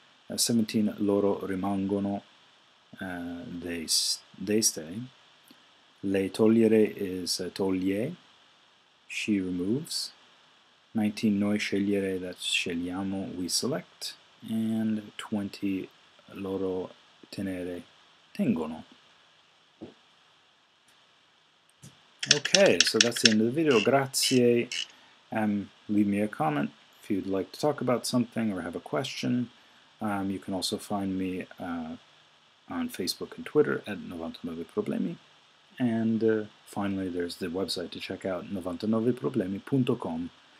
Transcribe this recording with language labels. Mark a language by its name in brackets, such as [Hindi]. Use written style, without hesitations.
[Italian] 17, loro rimangono, [English] they stay. [Italian] Le togliere [English] is [Italian] toglie, [English] she removes. 19, [Italian] noi scegliere, [English] that's [Italian] scegliamo, [English] we select. And 20, [Italian] loro tenere, tengono. [English] Okay, so that's the end of the video. Grazie. Leave me a comment if you'd like to talk about something or have a question. You can also find me on Facebook and Twitter at 99problemi. And finally, there's the website to check out, 99problemi.com.